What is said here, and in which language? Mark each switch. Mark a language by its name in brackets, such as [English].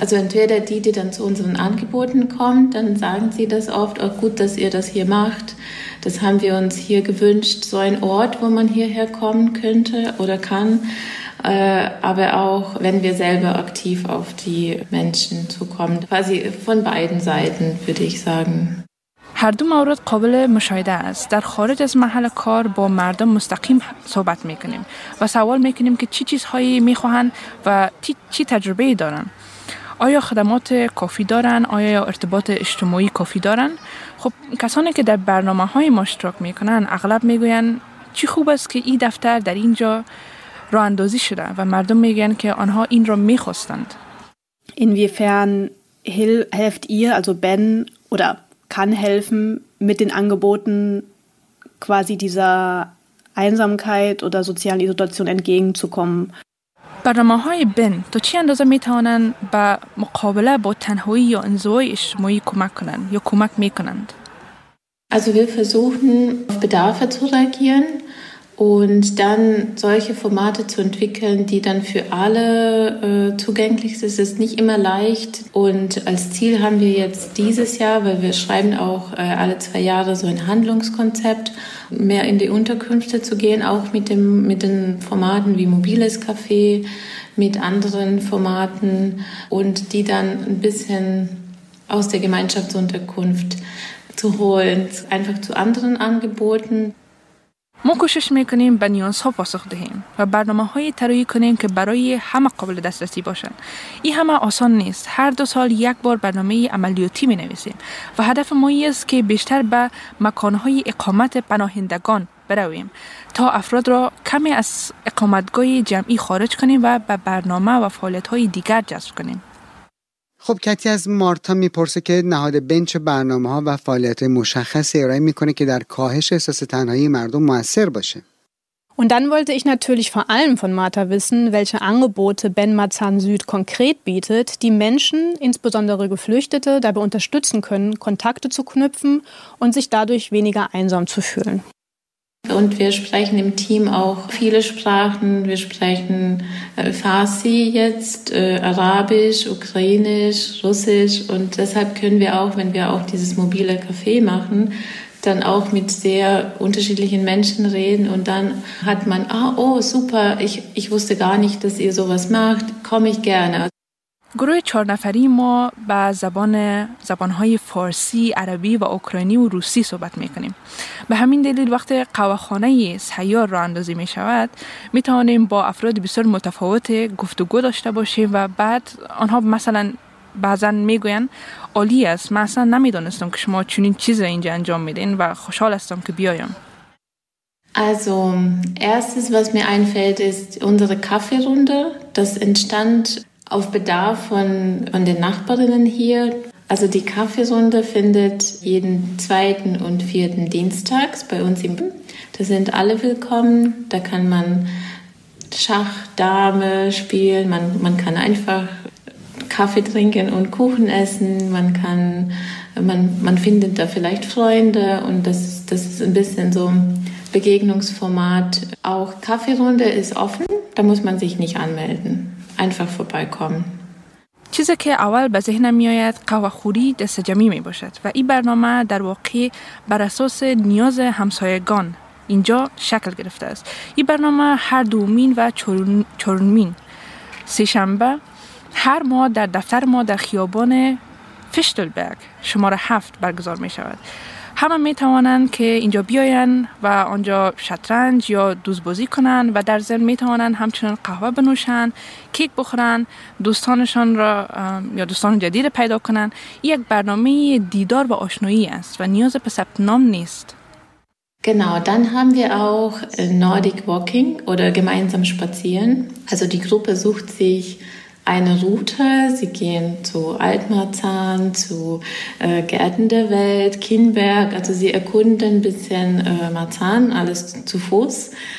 [German] Also entweder die dann zu unseren Angeboten kommen, dann sagen sie das oft, auch gut, dass ihr das hier macht. Das haben wir uns hier gewünscht, so ein Ort, wo man hierher kommen könnte oder kann. Aber auch, wenn wir selber aktiv auf die Menschen zukommen. Quasi von beiden Seiten, würde ich sagen. [Persian] هر دو مورد قابل مشاهده است. در خارج از محل کار با مردم مستقیم صحبت میکنیم و سوال میکنیم که چی چیزهایی میخواهند و چی تجربه ای دارن. آیا خدمات کافی دارن؟ آیا ارتباط اجتماعی کافی دارن؟ خب کسانی که در برنامه های ما اشتراک میکنن اغلب میگوین چی خوب است که این دفتر در اینجا راه اندازی شده و مردم میگن که آنها این را میخواستند. [German] Inwiefern helft ihr, also Ben, oder kann helfen mit den Angeboten quasi dieser Einsamkeit oder sozialen Isolation entgegenzukommen? [Persian] برنامه‌های بن تا چه اندازه می‌توانند به مقابله با تنهایی یا انزوای اجتماعی کمک کنند یا کمک می‌کنند؟ [German] Also wir versuchen auf Bedarfe zu reagieren und dann solche Formate zu entwickeln, die dann für alle zugänglich sind. Es ist nicht immer leicht und als Ziel haben wir jetzt dieses Jahr, weil wir schreiben auch alle zwei Jahre so ein Handlungskonzept, mehr in die Unterkünfte zu gehen, auch mit den Formaten wie mobiles Café, mit anderen Formaten und die dann ein bisschen aus der Gemeinschaftsunterkunft zu holen, einfach zu anderen Angeboten. [Persian] ما کوشش میکنیم به نیازها پاسخ دهیم و برنامه های طراحی کنیم که برای همه قابل دسترسی باشند. این همه آسان نیست. هر دو سال یک بار برنامه عملیاتی می نویسیم و هدف ما این است که بیشتر به مکانهای اقامت پناهندگان برویم تا افراد را کمی از اقامتگاه جمعی خارج کنیم و به برنامه و فعالیت های دیگر جذب کنیم. خب کتی از مارتا میپرسه که نهاد بنچ برنامه‌ها و فعالیت‌های مشخص ارائه می‌کنه که در کاهش احساس تنهایی مردم مؤثر باشه. [German] Und dann wollte ich natürlich vor allem von Marta wissen, welche Angebote Ben Mazan Süd konkret bietet, die Menschen, insbesondere Geflüchtete, dabei unterstützen können, Kontakte zu knüpfen und sich dadurch weniger einsam zu fühlen. Und wir sprechen im Team auch viele Sprachen. Wir sprechen Farsi jetzt, Arabisch, Ukrainisch, Russisch. Und deshalb können wir auch, wenn wir auch dieses mobile Café machen, dann auch mit sehr unterschiedlichen Menschen reden. Und dann hat man, super, ich wusste gar nicht, dass ihr sowas macht, komme ich gerne. [Persian] گروه چهار نفری ما به زبانهای فارسی، عربی و اوکراینی و روسی صحبت میکنیم. به همین دلیل وقت قهوه‌خانه سیار را اندازی میشود، میتوانیم با افراد بسیار متفاوت گفتگو داشته باشیم و بعد آنها مثلا بعضا میگوین عالی است، من اصلا نمیدانستم که شما چنین چیز را اینجا انجام میدین و خوشحال هستم که بیایم. [German] Also, erstes, was mir einfällt, ist unsere Kaffeerunde. Das entstand auf Bedarf von den Nachbarinnen hier. Also die Kaffeerunde findet jeden zweiten und vierten Dienstags bei uns im Da sind alle willkommen. Da kann man Schach, Dame spielen. Man kann einfach Kaffee trinken und Kuchen essen. Man findet da vielleicht Freunde. Und das ist ein bisschen so Begegnungsformat. Auch Kaffeerunde ist offen. Da muss man sich nicht anmelden. Einfach vorbeikommen. [Persian] چیزی که اول به ذهنم میآید قهوه‌خوری دست جمعی می باشد و این برنامه در واقع بر اساس نیاز همسایگان اینجا شکل گرفته است. این برنامه هر دومین و چهارمین سه شنبه هر ماه در دفتر ما در خیابان فشتلبرگ شماره 7 برگزار می شود. همه می توانند که اینجا بیایند و آنجا شطرنج یا دوزبازی کنند و در ضمن می توانند همچنان قهوه بنوشند، کیک بخورند، دوستانشان را یا دوستان جدید پیدا کنند. یک برنامه دیدار و آشنایی است و نیاز به ثبت نام نیست. [German] Genau, dann haben wir auch Nordic Walking oder gemeinsam spazieren. Also die Gruppe sucht sich eine Route, sie gehen zu Altmarzahn, zu Gärten der Welt, Kinberg, also sie erkunden ein bisschen Marzahn, alles zu Fuß.